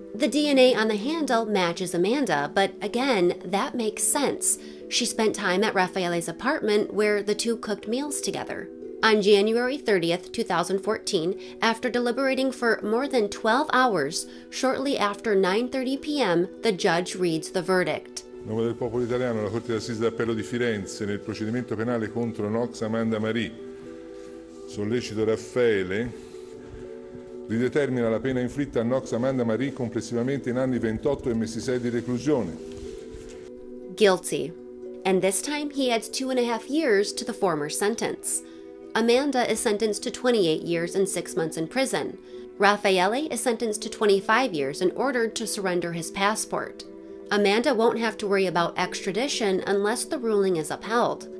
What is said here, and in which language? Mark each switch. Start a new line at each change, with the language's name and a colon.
English: The DNA on the handle matches Amanda, but again, that makes sense. She spent time at Raffaele's apartment where the two cooked meals together. On January 30th, 2014, after deliberating for more than 12 hours, shortly after 9:30 p.m., the judge reads the verdict.
Italian: In nome del popolo italiano, la Corte d'Assise d'Appello di Firenze, nel procedimento penale contro Knox Amanda Marie, sollecito Raffaele, ridetermina la pena inflitta a Knox Amanda Marie complessivamente in anni 28 e mesi 6 di reclusione.
English: Guilty. And this time he adds 2.5 years to the former sentence. Amanda is sentenced to 28 years and 6 months in prison. Raffaele is sentenced to 25 years and ordered to surrender his passport. Amanda won't have to worry about extradition unless the ruling is upheld.